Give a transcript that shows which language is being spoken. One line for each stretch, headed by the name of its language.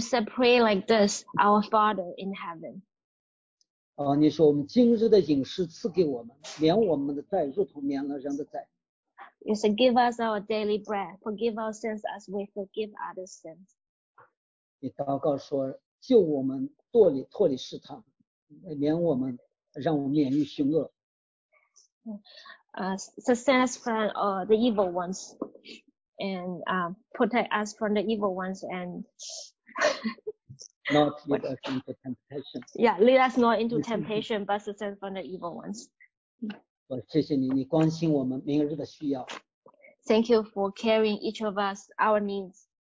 English: said pray like this, our Father in heaven.
Chinese: 哦，你说我们今日的饮食赐给我们，免我们的债，如同免了人的债。You
English: said give us our daily bread, forgive our sins as we forgive others' sins.
Chinese: 你祷告说。救我们脱离试探，免我们让我们免于凶恶。
English: Sustain us from the evil ones, and protect us from the evil ones, and not lead us into temptation. Yeah, lead us not into temptation, but sustain from the evil ones.
Chinese: 我谢谢你，你关心我们明日的需要。
English: Thank you for caring each of us our needs.